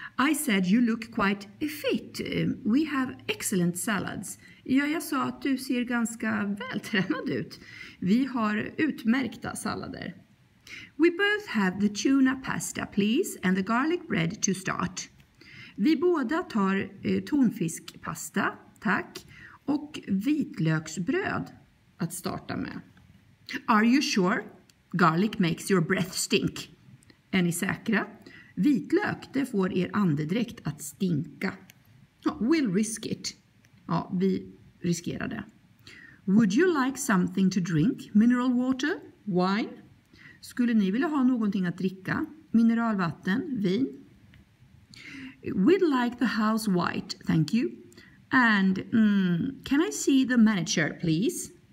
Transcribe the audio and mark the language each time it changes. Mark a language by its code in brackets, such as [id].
[en] I said you look quite fit. We have excellent salads. [sv] Ja, jag sa att du ser ganska vältränad ut. Vi har utmärkta sallader. [en] We both have the tuna pasta, please, and the garlic bread to start. [sv] Vi båda tar tonfiskpasta, tack, och vitlöksbröd att starta med. [en] Are you sure? Garlic makes your breath stink. [sv] Är ni säkra? Vitlök, det får er andedräkt att stinka. We'll risk it. Ja, vi riskerar det. [en] Would you like something to drink? Mineral water? Wine? [sv] Skulle ni vilja ha någonting att dricka? Mineralvatten? Vin? [en] We'd like the house white, thank you. And can I see the manager, please?